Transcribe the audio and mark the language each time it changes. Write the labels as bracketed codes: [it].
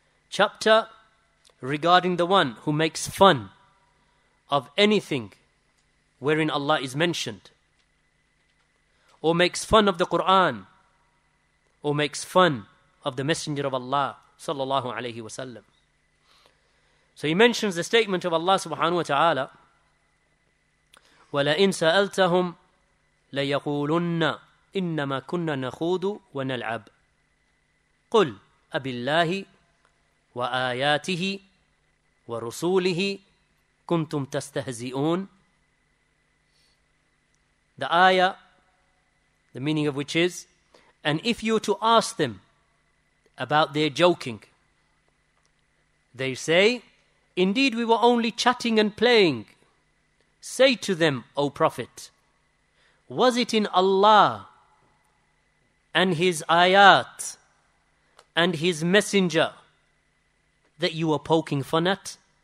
[en] Chapter regarding the one who makes fun of anything wherein Allah is mentioned, or makes fun of the Qur'an, or makes fun of the Messenger of Allah, sallallahu alayhi wa sallam. So he mentions the statement of Allah subhanahu wa ta'ala, [ar] وَلَئِنْ سَأَلْتَهُمْ لَيَقُولُنَّ إِنَّمَا كُنَّا نَخُوضُ وَنَلْعَبْ قُلْ أَبِاللَّهِ وَآيَاتِهِ وَرُسُولِهِ كُنْتُمْ تَسْتَهْزِئُونَ. [en] The ayah, the meaning of which is, and if you were to ask them about their joking, they say, indeed, we were only chatting and playing. Say to them, O Prophet, was it in Allah and His ayat and His messenger that you were poking fun at?